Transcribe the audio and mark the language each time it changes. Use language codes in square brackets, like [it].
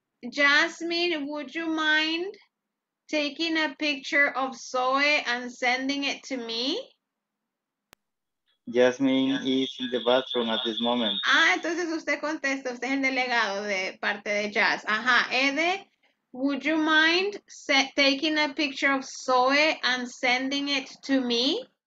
[en] Jasmine, would you mind taking a picture of Zoe and sending it to me? Jasmine is in the bathroom at this moment. [es] Ah, entonces usted contesta, usted es el delegado de parte de Jazz. [en] Ajá, Ede, would you mind taking a picture of Zoe and sending it to me?